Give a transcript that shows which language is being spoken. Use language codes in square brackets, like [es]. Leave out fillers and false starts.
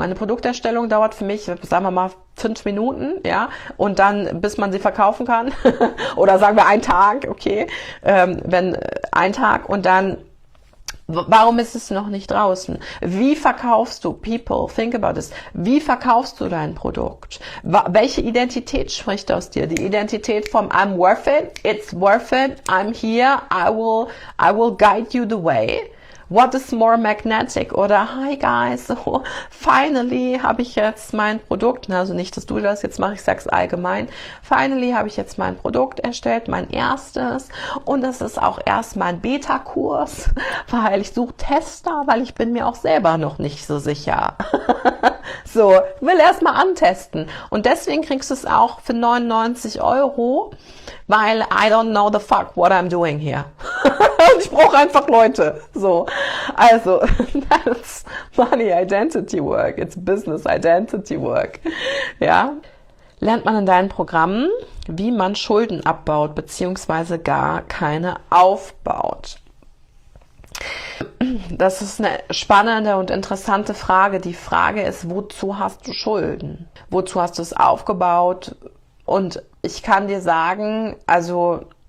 [de] Eine Produkterstellung dauert für mich, sagen wir mal, 5 Minuten, ja, und dann, bis man sie verkaufen kann, oder sagen wir einen Tag, okay, wenn ein Tag und dann, warum ist es noch nicht draußen? Wie verkaufst du, [en] people, think about this, [de] wie verkaufst du dein Produkt? Welche Identität spricht aus dir? Die Identität vom [en] I'm worth it, it's worth it, I'm here, I will guide you the way. What is more magnetic? [de] Oder [en] hi guys, [de] so, finally habe ich jetzt mein Produkt. Also nicht, dass du das jetzt machst, ich sage es allgemein. Finally habe ich jetzt mein Produkt erstellt, mein erstes. Und das ist auch erst mein Beta-Kurs, weil ich suche Tester, weil ich bin mir auch selber noch nicht so sicher. So, will erst mal antesten. Und deswegen kriegst du es auch für 99 €, weil [en] I don't know the fuck what I'm doing here. [de] Ich brauche einfach Leute. So. [en] Also, that's money identity work. It's business identity work. [de] Ja. Lernt man in deinen Programmen, wie man Schulden abbaut, beziehungsweise gar keine aufbaut? Das ist eine spannende und interessante Frage. Die Frage ist, wozu hast du Schulden? Wozu hast du es aufgebaut? Und ich kann dir sagen, also,